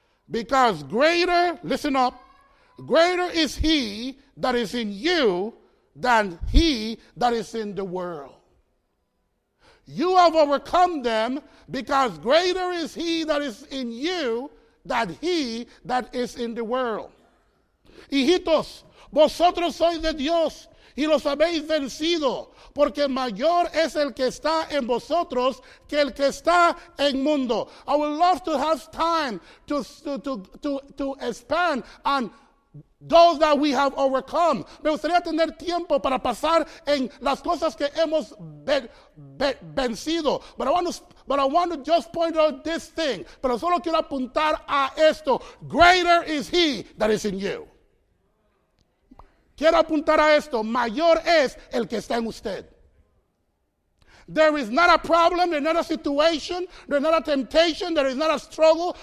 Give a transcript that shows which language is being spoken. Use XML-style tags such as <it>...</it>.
<en>Because greater, listen up, greater is he that is in you than he that is in the world. You have overcome them because greater is he that is in you than he that is in the world.</en> <es>Hijitos, vosotros sois de Dios y los habéis vencido, porque mayor es el que está en vosotros que el que está en mundo.</es> <en>I would love to have time to expand on those that we have overcome.</en> <es>Me gustaría tener tiempo para pasar en las cosas que hemos vencido.</es> <en>But I want to just point out this thing.</en> <es>Pero solo quiero apuntar a esto.</es> <en>Greater is he that is in you.</en> <es>Quiero apuntar a esto. Mayor es el que está en usted.</es> <en>There is not a problem, there is not a situation, there is not a temptation, there is not a struggle.</en>